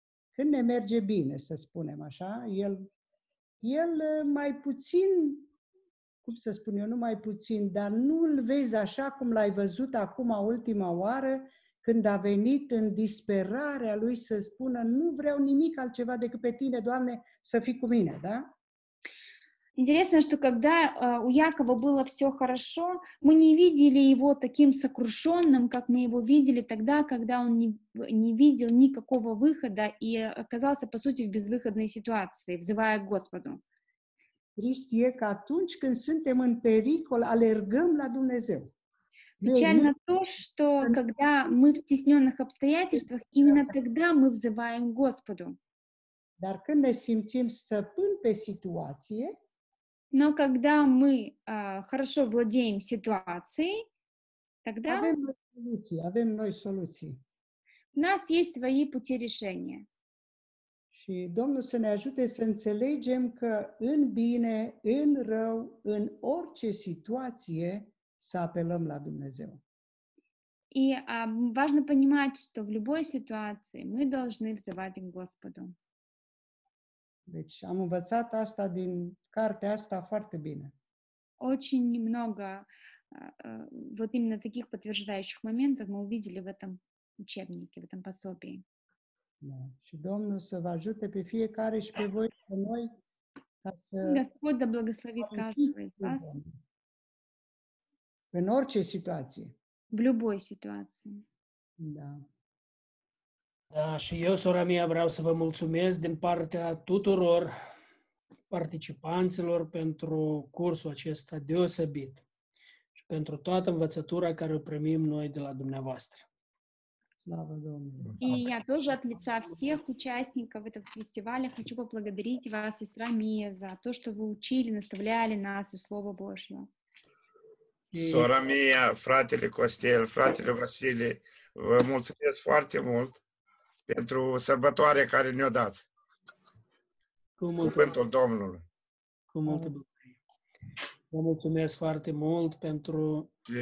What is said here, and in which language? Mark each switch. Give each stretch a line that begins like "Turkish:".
Romanian: Când ne merge bine, să spunem așa, el mai puțin, cum să spun eu, nu mai puțin, dar nu îl vezi așa cum l-ai văzut acum ultima oară, când a venit în disperarea lui să spună: nu vreau nimic altceva decât pe tine, Doamne, să fii cu mine, da?
Russian: Интересно, что когда у Якова было все хорошо, мы не видели его таким сокрушенным, как мы его видели тогда, когда он не видел никакого выхода и оказался, по сути, в безвыходной ситуации, взывая к Господу. Христос, как тогда, когда мы в опасности, мы бежим к Богу. Печально то, что когда мы в стесненных обстоятельствах, именно тогда мы взываем к Господу.
Romanian: Dar când ne simțim stăpân pe situație,
Russian: но когда мы хорошо владеем ситуацией, тогда
Romanian: avem noi soluții, avem noi soluții.
Russian: У нас есть свои пути решения.
Romanian: Și Domnul să ne ajute să înțelegem că în bine, în rău, în orice situație să apelăm la Dumnezeu.
Russian: И важно понимать, что в любой ситуации мы должны взывать к Господу.
Romanian: Deci am învățat asta din cartea asta foarte bine.
Russian: Очень много вот именно таких подтверждающих моментов мы увидели в этом учебнике, в этом пособии. Да.
Romanian: Și Domnul să vă ajute pe fiecare și pe voi, pe noi, ca să...
Russian: Господь да благословит каждого из вас.
Romanian: În orice situație.
Russian: В любой ситуации.
Romanian: Da. Da, și eu, sora mea, vreau să vă mulțumesc din partea tuturor participanților pentru cursul acesta deosebit și pentru toată învățătura care o primim noi de la dumneavoastră. Slavă Domnului!
Russian: И я тоже от лица всех участников этого фестиваля хочу поблагодарить вас, сестра Мия, за то, что вы учили, наставляли нас и Слово Божье.
Romanian: Sora mea, fratele Costel, fratele Vasile, vă mulțumesc foarte mult pentru sărbătoarea care ne-o dați. Cu cuvântul Domnului. Cu multă bucurie. Vă mulțumesc foarte mult pentru...